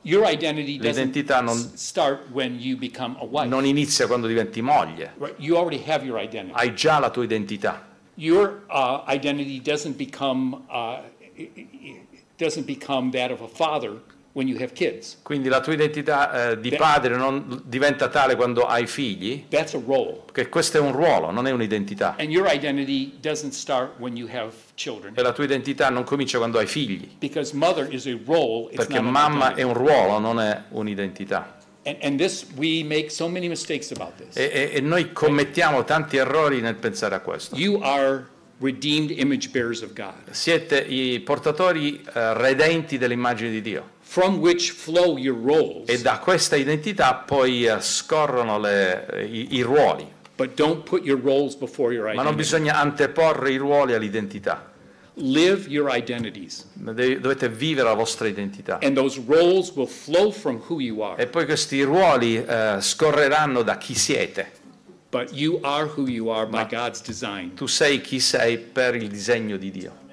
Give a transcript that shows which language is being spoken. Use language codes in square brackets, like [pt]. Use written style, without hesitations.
[en] Your identity [it] l'identità [en] non start when you become a wife. [it] Non inizia quando diventi moglie. [en] You already have your identity. [it] Hai già la tua identità. [en] Your identity doesn't become that of a father when you have kids. [it] Quindi la tua identità di padre non diventa tale quando hai figli. [en] That's a role. [it] Perché questo è un ruolo, non è un'identità. [en] And your identity doesn't start when you have children. [it] E la tua identità non comincia quando hai figli. [en] Because mother is a role. [it] Perché mamma è un ruolo, non è un'identità. [en] And this we make so many mistakes about this. [it] E noi commettiamo tanti errori nel pensare a questo. [en] You are redeemed image bearers of God. [it] Siete i portatori redenti dell'immagine di Dio. [en] From which flow your roles. [it] E da questa identità poi scorrono i ruoli. [en] But don't put your roles before your identity. [it] Ma non bisogna anteporre i ruoli all'identità. [en] Live your identities. [it] Dovete vivere la vostra identità. [en] And those roles will flow from who you are. [it] E poi questi ruoli scorreranno da chi siete. [en] But you are who you are by God's design. [it] Tu sei chi sei per il disegno di Dio.